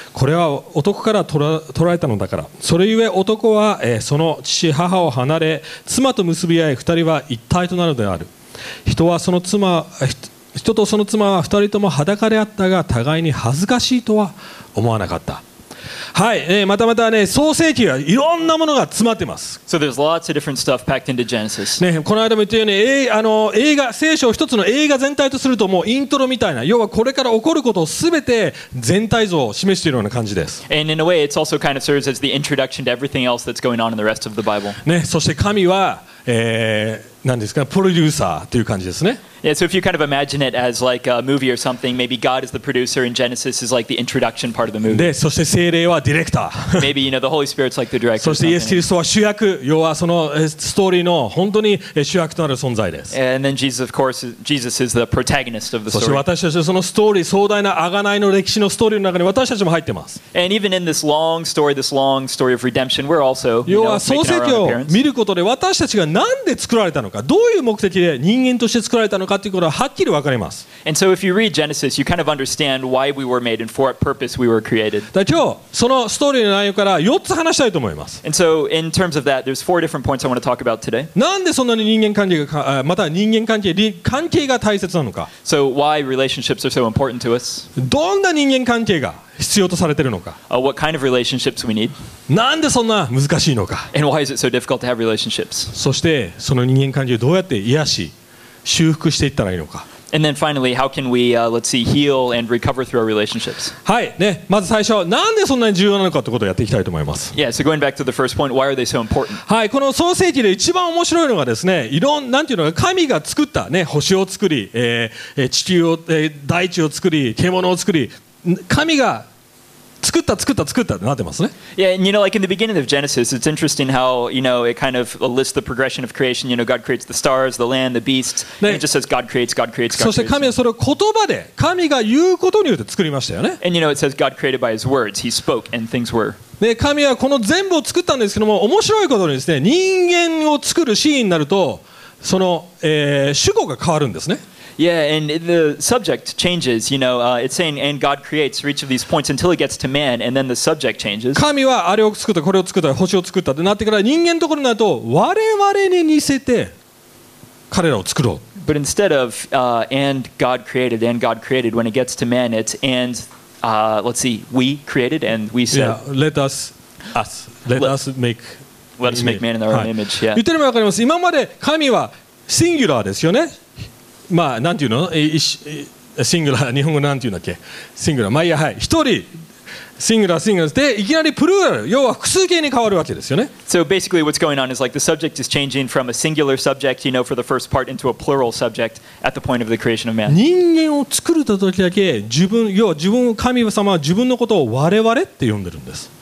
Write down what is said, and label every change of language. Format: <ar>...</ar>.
<ja>これは男から取られたのだから。それゆえ男は、その父母を離れ、妻と結び合い、二人は一体となるである。人はその妻、人とその妻は二人とも裸であったが、互いに恥ずかしいとは思わなかった。はい、またまたね、創世記はいろんなものが詰まってます。</ja> <en>So there's lots of different stuff packed into Genesis.</en> <ja>ね、この間も言ったように、映画、聖書を一つの映画全体とすると、もうイントロみたいな、要はこれから起こることをすべて全体像を示しているような感じです。</ja> <en>And in a way, it's also kind of serves as the introduction to everything else that's going on in the rest of the Bible.</en> <ja>ね、そして神は、何ですか、プロデューサーという感じですね。</ja> <en>Yeah, so if you kind of imagine it as like a movie or something, maybe God is the producer and Genesis is like the introduction part of the movie.</en> <ja>で、そして聖霊はディレクター。</ja> <en>Maybe, you know, the Holy Spirit's like the director.</en> <ja>そしてイエス・キリストは主役、要はそのストーリーの本当に主役となる存在です。</ja> <en>And then Jesus, of course, Jesus is the protagonist of the story.</en> <ja>そして私たちはそのストーリー、壮大な贖いの歴史のストーリーの中に私たちも入ってます。</ja> <en>And even in this long story, this long story of redemption, we're also, you know,</en> <ja>要は創世記を見ることで私たちがなんで作られたのか、どういう目的で人間として作られたのか、かということははっきり分かります。</ja> <en>And so if you read Genesis, you kind of understand why we were made and for what purpose we were created.</en> <ja>今日そのストーリーの内容から4つ話したいと思います。</ja> <en>And so in terms of that, there's four different points I want to talk about today.</en> <ja>なんでそんなに人間関係がまた人間関係関係が大切なのか。</ja> <en>So why relationships are so important to us?</en> <ja>どんな人間関係が必要とされているのか。</ja> <en>What kind of relationships we need?</en> <ja>なんでそんな難しいのか。</ja> <en>And why is it so difficult to have relationships?</en> <ja>そしてその人間関係をどうやって癒し修復していったらいいのか。</ja> <en>And then finally, how can we, let's see, heal and recover through our relationships?</en> <ja>はい、ね、まず最初、なんでそんなに重要なのかってことをやっていきたいと思います。</ja> <en>Yeah, so going back to the first point, why are they so important?</en> <ja>はい、この創世記で一番面白いのがですね、いろんなんていうのが神が作ったね、星を作り、地球を、大地を作り、獣を作り、神が作った作った作ったってなってますね。</ja> <en>Yeah, and you know, like in the beginning of Genesis, it's interesting how you know it kind of lists the progression of creation. You know, God creates the stars, the land, the beasts, and it just says God creates, God creates, God creates.</en> <ja>そして神はそれを言葉で、神が言うことによって作りましたよね。</ja> <en>And you know, it says God created by His words. He spoke, and things were.</en> <ja>で、神はこの全部を作ったんですけども、面白いことにですね、人間を作るシーンになると、その、主語が変わるんですね。</ja> <en>Yeah, and the subject changes. You know, it's saying, and God creates for each of these points until it gets to man, and then the subject changes.</en> <ja>神はあれを作った、これを作った、星を作ったってなってから人間のところになると我々に似せて彼らを作ろう。</ja> <en>But instead of and God created, when it gets to man, it's and let's see, we created and we said, yeah, let us make man in our own image. Yeah.</en> <ja>言ってるのわかります。今まで神はシンギュラーですよね。まあ、なんていうの？シングラー、日本語なんていうんだっけ？シングラー、まあいいや、はい、一人、シングラー、シングラーで、いきなりプルーラル、要は複数形に変わるわけですよね。</ja> <en>So basically what's going on is like the subject is changing from a singular subject, you know, for the first part into a plural subject at the point of the creation of man.</en> <ja>人間を作るときだけ、自分、要は自分、神様は自分のことを我々って呼んでるんです。</ja>